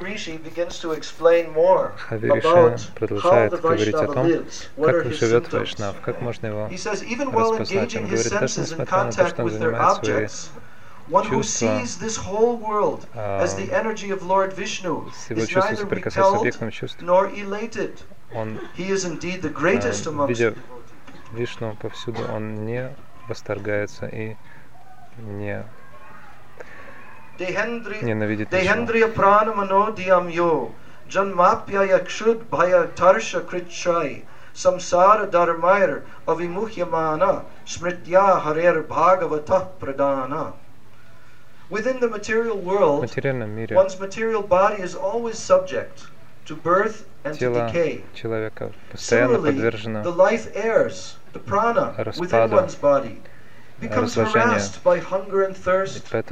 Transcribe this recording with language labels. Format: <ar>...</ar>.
<en>Хави Риши begins to explain more about how the Vaishnava lives, what are his symptoms. He says even while engaging his senses in contact with their objects, one who sees this whole world as the energy of Lord Vishnu is neither repelled nor elated. He is indeed the greatest amongst devotees.</en> <ru>Вишну повсюду, он не восторгается и не ненавидит Вишну.</ru> <sa>Дехендрия прана мано диам йо джанмапья якшуд бхая тарша критчай самсара дармайр авимухьямана смритья харер бхагавата прадана.</sa> <en>Within the material world, one's material body is always subject to birth and to decay. Similarly, the life airs, the prana within one's body, becomes harassed by hunger and thirst.</en>